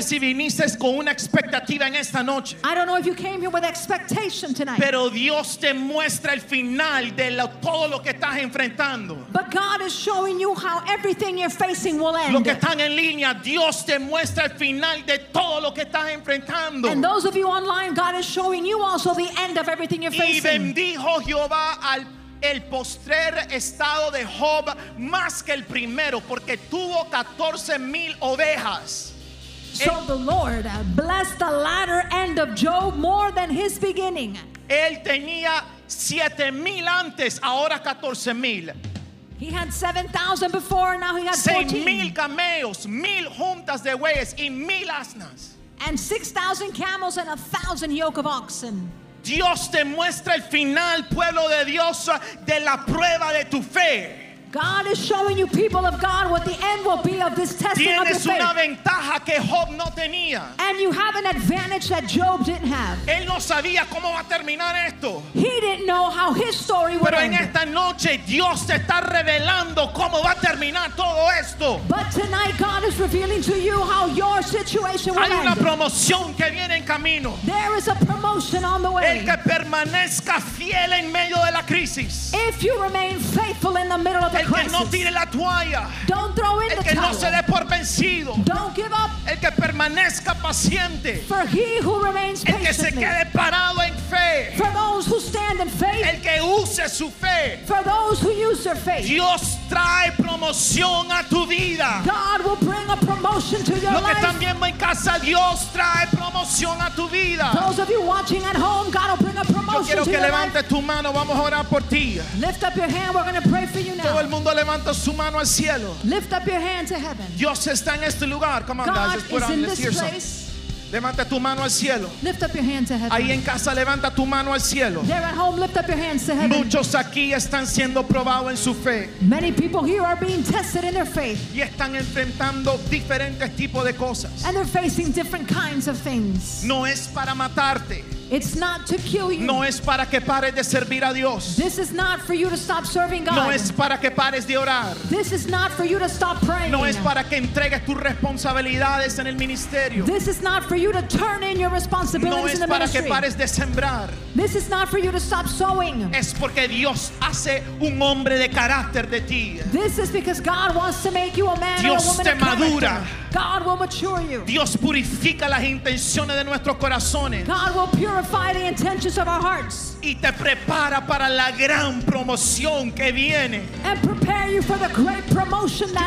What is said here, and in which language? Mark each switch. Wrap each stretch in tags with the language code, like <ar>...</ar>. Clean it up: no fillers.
<es>Si viniste con una expectativa en esta noche.</es> <en>I don't know if you came here with expectation tonight.</en> <es>Pero Dios te muestra el final de lo, todo lo que estás enfrentando.</es> <en>But God is showing you how everything you're facing will end.</en> <es>Lo que están en línea, Dios te muestra el final de todo lo que estás enfrentando.</es> <en>And those of you online, God is showing you also the end of everything you're facing.</en> <es>Y bendijo Jehová al el postrer estado de Job más que el primero porque tuvo 14,000 ovejas.</es> <en>So the Lord blessed the latter end of Job more than his beginning.</en> <es>Él tenía 7,000 antes, ahora 14,000.</es> <en>He had 7,000 before, now he has 14,000.</en> <es>6,000 camellos, 1,000 juntas de bueyes y 1,000 asnas.</es> <en>And 6,000 camels and 1,000 yoke of oxen.</en> <es>Dios te muestra el final, pueblo de Dios, de la prueba de tu fe.</es> <en>God is showing you, people of God, what the end will be of this testing</en> <es>tienes</es> <en>of your faith.</en> <es>Tienes una ventaja que Job no tenía.</es> <en>And you have an advantage that Job didn't have.</en> <es>Él no sabía cómo va a terminar esto.</es> <en>He didn't know how his story would end.</en> <es>Pero en esta noche Dios te está revelando cómo va a terminar todo esto.</es> <en>But tonight God is revealing to you how your situation will end.</en> <es>Hay una promoción que viene en camino.</es> <en>There is a promotion on the way.</en> <es>El que permanezca fiel en medio de la crisis.</es> <en>If you remain faithful in the middle of</en> <es>el que no tire la toalla.</es> <en>Don't throw in</en> <es>el que</es> <en>the</en> <es>no se dé por vencido.</es> <en>Don't give up.</en> <es>El que permanezca paciente.</es> <en>For he who remains</en> <es>el que</es> <en>patiently.</en> <es>Se quede parado en fe.</es> <en>For those who stand in faith.</en> <es>El que use su fe.</es> <en>For those who use their faith.</en> <es>Dios trae promoción a tu vida.</es> <en>God will bring a promotion to your</en> <es>lo que</es> <en>life.</en> <es>También va en casa, Dios trae promoción a tu vida.</es> <en>Those of you watching at home, God will bring a promotion</en> <es>yo quiero</es> <en>to</en> <es>que</es> <en>your</en> <es>levantes</es> <en>life.</en> <es>Tu mano, vamos a orar por ti.</es> <en>Lift up your hand, we're going to pray for you now.</en> <es>Todo el mundo levanta su mano al cielo.</es> <en>Lift up your hand to heaven.</en> <es>Dios está en este lugar.</es> <en>Come on, God guys, is in this place.</en> <es>Levanta tu mano al cielo.</es> <en>Lift up your hand to heaven.</en> <es>Ahí en casa levanta tu mano al cielo.</es> <en>There at home, lift up your hands to heaven.</en> <es>Muchos aquí están siendo probados en su fe.</es> <en>Many people here are being tested in their faith.</en> <es>Y están enfrentando diferentes tipos de cosas.</es> <en>And they're facing different kinds of things.</en> <es>No es para matarte.</es> <en>It's not to kill you.</en> <es>No es para que pares de servir a Dios.</es> <en>This is not for you to stop serving God.</en> <es>No es para que pares de orar.</es> <en>This is not for you to stop praying.</en> <es>No es para que entregues tus responsabilidades en el ministerio.</es> <en>This is not for you to turn in your responsibilities</en> <es>no</es> <en>in the ministry.</en> <es>No es para que pares de sembrar.</es> <en>This is not for you to stop sowing.</en> <es>Es porque Dios hace un hombre de carácter de ti.</es> <en>This is because God wants to make you a man</en> <es>Dios</es> <en>or a woman of character.</en> <es>Dios te madura.</es> <en>God will mature you.</en> <es>Dios purifica las intenciones de nuestros corazones.</es> <en>God will purify purify the intentions of our hearts.</en> <es>Y te prepara para la gran promoción que viene.</es> <en>And prepare you for the great promotion that</en>